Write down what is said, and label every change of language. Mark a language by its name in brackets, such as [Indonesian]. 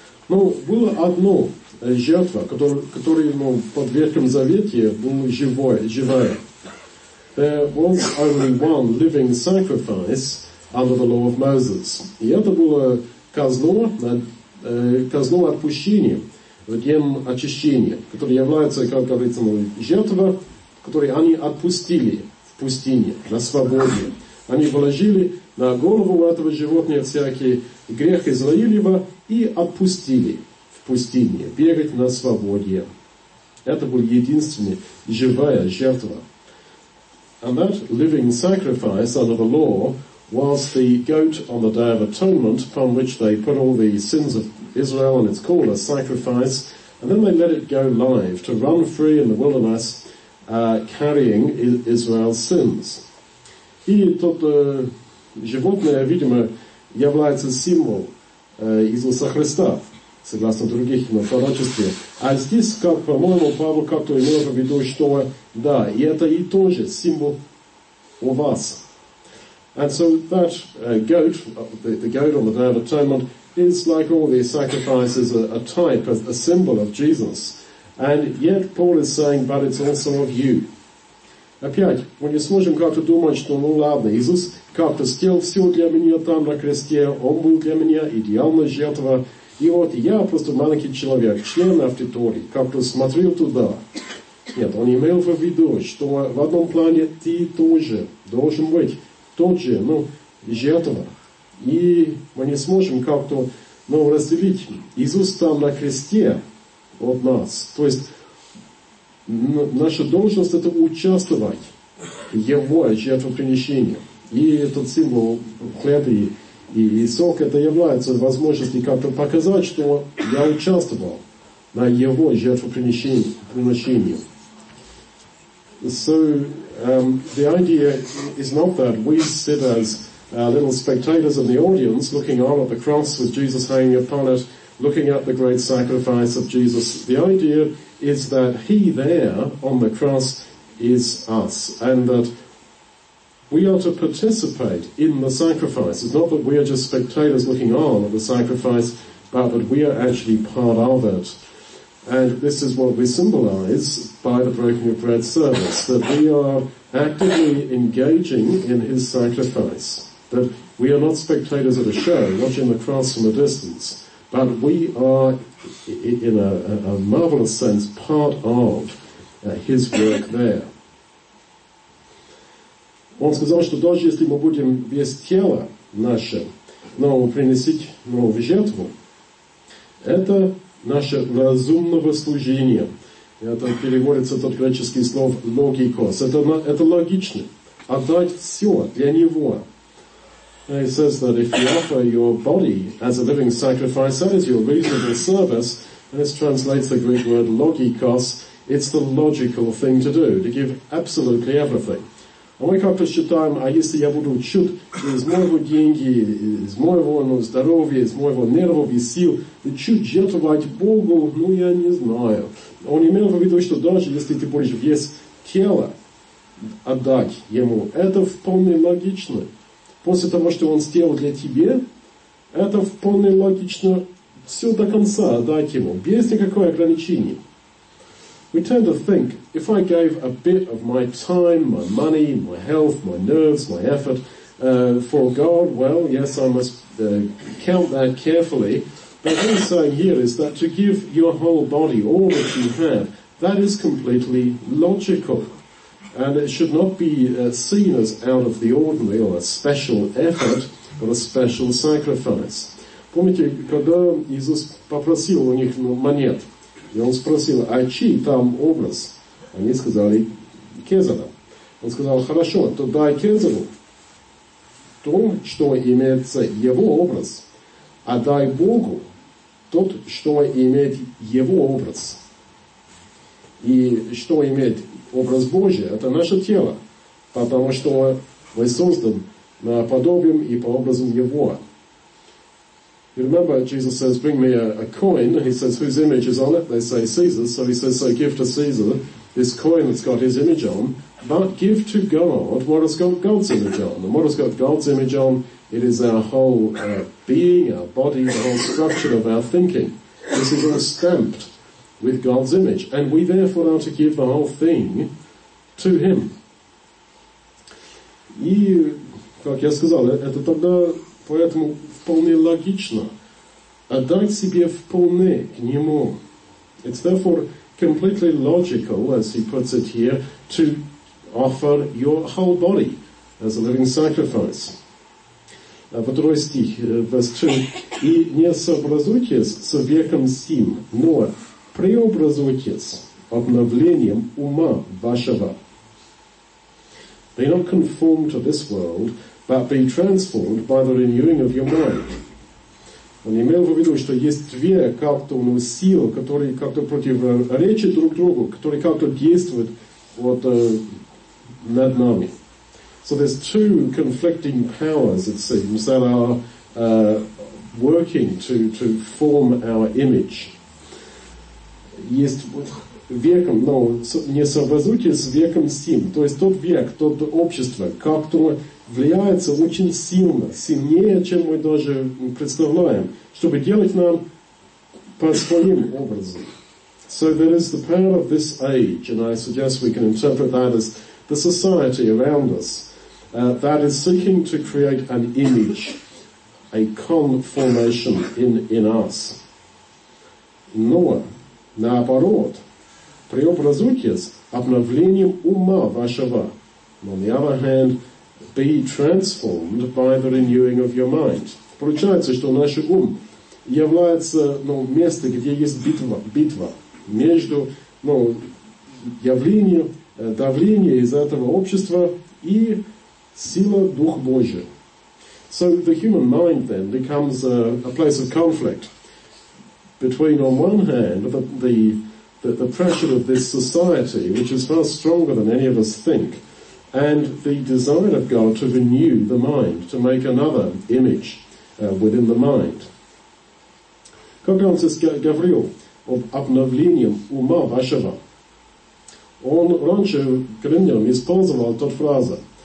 [Russian] Ну, было одно жертва, которое, ну, под Ветхом Завете было живое, живое. [English] There was only one living sacrifice under the law of Moses. [Russian] И это было козло, козло отпущения. В день очищения, который является, как говорится, ну, жертва, которую они отпустили в пустыне, на свободе. Они положили на голову этого животного всякий грех Израилева и отпустили в пустыне, бегать на свободе. Это была единственная живая жертва. [English] And that living sacrifice under the law was the goat on the Day of Atonement, upon which they put all the sins of Israel, and it's called a sacrifice, and then they let it go live to run free in the wilderness, carrying Israel's sins. [Russian] И тот животное, видимо, является символ Иисуса Христа, согласно других пророчеств. А здесь, как, по-моему, Павел как-то имел в виду, что да, и это и тоже символ у вас. [English] And so that goat, the goat on the Day of Atonement, is like all these sacrifices, a type, a symbol of Jesus. And yet Paul is saying, but it's also of you. [Russian] Опять, мы не сможем как-то думать, что, ну ладно, Иисус как-то сделал все для меня там на кресте, Он был для меня идеальной жертвой, и вот я просто маленький человек, член аудитории, как-то смотрел туда. Нет, он имел в виду, что в одном плане ты тоже должен быть тот же, ну, жертва. И мы не сможем как-то, ну, разделить. Иисус там на кресте от нас. То есть, наша должность – это участвовать в Его жертвоприношении. И этот символ хлеба и сок – это является возможностью как-то показать, что я участвовал на Его жертвоприношении. [English] So, the idea is not that we sit as little spectators in the audience, looking on at the cross with Jesus hanging upon it, looking at the great sacrifice of Jesus. The idea is that He there on the cross is us, and that we are to participate in the sacrifice. It's not that we are just spectators looking on at the sacrifice, but that we are actually part of it. And this is what we symbolize by the breaking of bread service, that we are actively engaging in His sacrifice, that we are not spectators at a show watching the cross from a distance, but we are, in a marvelous sense, part of His work there. [Russian] Он сказал, что даже если мы будем без тела наше, но приносить, но в жертву, это наше разумное служение. Это переводится тот греческий слов «логикос». Это логично. Отдать все для Него. [English] He says that if you offer your body as a living sacrifice, that is your reasonable service. This translates the Greek word logikos. It's the logical thing to do, to give absolutely everything. [Russian] А мы как-то считаем, а если я буду чуть из моего деньги, из моего здоровья, из моего нервов и сил, чуть жертвовать Богу, ну я не знаю. Он имел в виду, что даже если ты будешь весь тело отдать Ему, это вполне логично. После того, что Он сделал для тебя, это вполне логично все до конца отдать Ему, без никакого ограничения. [English] We tend to think, if I gave a bit of my time, my money, my health, my nerves, my effort for God, well, yes, I must count that carefully. But what he's saying here is that to give your whole body, all that you have, that is completely logical. And it should not be seen as out of the ordinary or a special effort, but a special sacrifice. [Russian] Помните, когда Иисус попросил у них монет, и он спросил, а чей там образ? Они сказали, Кесаря. Он сказал, хорошо, то дай Кесарю то, что имеется его образ, а дай Богу тот, что имеет его образ. И что имеет образ Божий, это наше тело, потому что мы созданы на подобием и по образу Его. [English] You remember Jesus says, bring me a coin. He says, whose image is on it? They say, Caesar's. So he says, so give to Caesar this coin that's got his image on, but give to God what has got God's image on. And what has got God's image on? It is our whole being, our body, the whole structure of our thinking. This is all stamped with God's image. And we therefore are to give the whole thing to Him. [Russian] И, как я сказал, это тогда поэтому вполне логично отдать себе вполне к Нему. [English] It's therefore completely logical, as he puts it here, to offer your whole body as a living sacrifice. [Russian] Второй стих, [English] verse 2. [Russian] И не сообразуйтесь с веком сим, но преобразуйтесь обновлением ума вашего. [English] Be not conformed to this world, but be transformed by the renewing of your mind. [Russian] Он имел в виду, что есть две как-то силы, которые как-то противоречат друг другу, которые как-то действуют вот над нами. [English] So there's two conflicting powers, it seems, that are working to form our image. [Russian] Есть веком, но не сообразуйте с веком сим. То есть тот век, то общество, которое влияется очень сильно, сильнее, чем мы даже представляем, чтобы делать нам по своим образом. [English] So there is the power of this age, and I suggest we can interpret that as the society around us, that is seeking to create an image, a conformation in us. [Russian] Но, наоборот, преобразуйтесь обновлением ума вашего. [English] On the other hand, be transformed by the renewing of your mind. [Russian] Получается, что наш ум является местом, где есть битва между явлением, давлением из этого общества и силой Духа Божия. [English] So the human mind then becomes a place of conflict between, on one hand, the pressure of this society, which is far stronger than any of us think, and the desire of God to renew the mind, to make another image within the mind. [Russian] Как он говорил об обновлении ума вашего? Он раньше в Коринфянам использовал эту фразу.